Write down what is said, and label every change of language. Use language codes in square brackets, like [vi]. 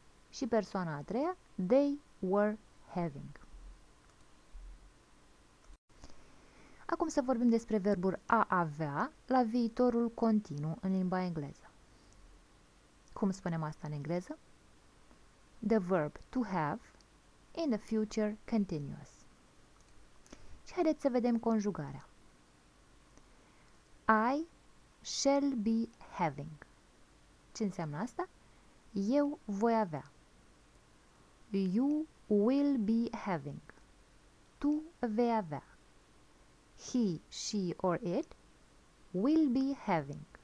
[ro] Și persoana a treia, [en] they were having. [ro] Acum să vorbim despre verbul a avea la viitorul continuu în limba engleză. Cum spunem asta în engleză? [en] The verb to have in the future continuous. [ro] Și haideți să vedem conjugarea. [en] I shall be having. [ro] Ce înseamnă asta? Eu voi avea. [en] You will be having. [ro] Tu vei avea. [en] He, she or it will be having.